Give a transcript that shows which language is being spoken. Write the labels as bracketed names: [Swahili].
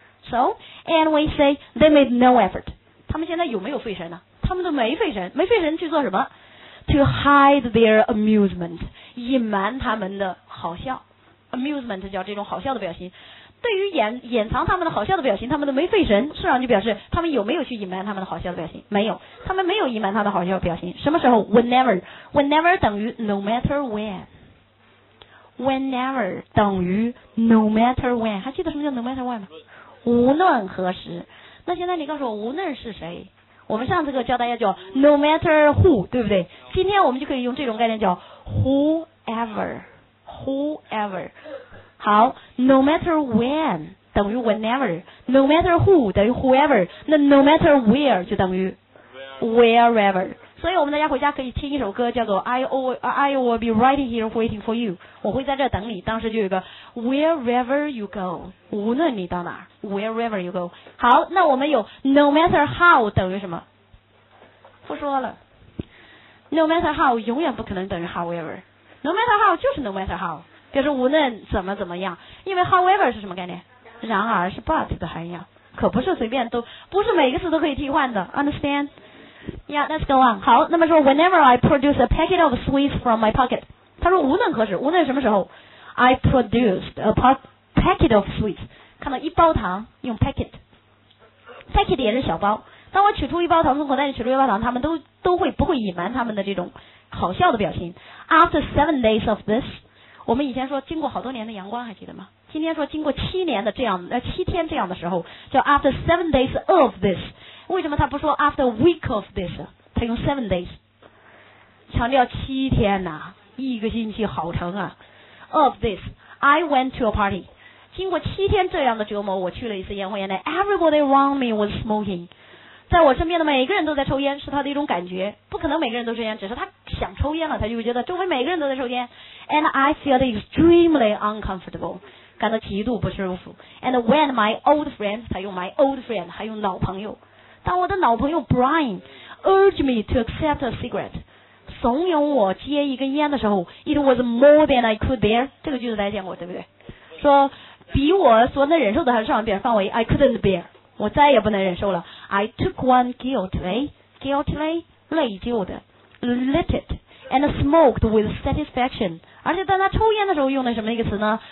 [English] So and we say they made no effort， [Chinese] 他们现在有没有费神呢、啊、他们都没费神，没费神去做什么？ [English] To hide their amusement， [Chinese] 隐瞒他们的好笑， amusement 叫这种好笑的表情，对于 掩藏他们的好笑的表情，他们都没费神，实际上就表示他们有没有去隐瞒他们的好笑的表情，没有，他们没有隐瞒他的好笑的表情。什么时候？ [English] Whenever， whenever 等于 no matter when， whenever 等于 no matter when， 还记得什么叫 no matter when 吗？ [Chinese] 无论何时。那现在你告诉我无论是谁，我们上次课教大家叫 no matter who， 对不对？今天我们就可以用这种概念叫 whoever， whoever。 [English] 好， no matter when 等于 whenever， no matter who 等于 whoever， 那 no matter where 就等于 wherever。 [Chinese] 所以我们大家回家可以听一首歌叫做 [English] I will be right here waiting for you， [Chinese] 我会在这等你，当时就有一个 [English] wherever you go， [Chinese] 无论你到哪 wherever you go。好，那我们有 no matter how 等于什么？不说了， no matter how 永远不可能等于 however， no matter how 就是 no matter how，就是无论怎么怎么样，因为 however 是什么概念？然而是 but 的含义，可不是随便都，不是每个词都可以替换的， understand？ [English] Yeah， let's go on。 [Chinese] 好，那么说 [English] whenever I produce a packet of sweets from my pocket， [Chinese] 他说无论何时，无论什么时候， [English] I produced a packet of sweets， [Chinese] 看到一包糖，用 packet， packet 也是小包，当我取出一包糖，从口袋里取出一包糖，他们都会不会隐瞒他们的这种好笑的表情。 [English] After 7 days of this， [Chinese] 我们以前说经过好多年的阳光，还记得吗？今天说经过七天这样的时候，叫 [English] after 7 days of this。 [Chinese] 为什么他不说 [English] after week of this？ [Chinese] 他用 [English] 7 days， [Chinese] 强调七天呐、啊，一个星期好长啊。 [English] Of this, I went to a party。 [Chinese] 经过七天这样的折磨，我去了一次烟火宴会。 [English] Everybody around me was smoking。 [Chinese] 在我身边的每个人都在抽烟，是他的一种感觉，不可能每个人都抽烟，只是他想抽烟了，他就会觉得周围每个人都在抽烟。 [English] And I felt extremely uncomfortable， [Chinese] 感到极度不舒服。 [English] And when my old friend， 他用 my old friend， 还用老朋友， [Chinese] 当我的老朋友 [English] Brian urged me to accept a cigarette， [Chinese] 怂恿我接一根烟的时候， [English] it was more than I could bear。 [Chinese] 这个句子大家见过对不对？说比我所能忍受的还是上边范围， [English] I couldn't bear， [Chinese] 我再也不能忍受了。 [English] I took one guiltily [Chinese] 内疚的 [English] lit it and smoked with satisfaction， [Chinese] 而且当他抽烟的时候用的什么一个词呢？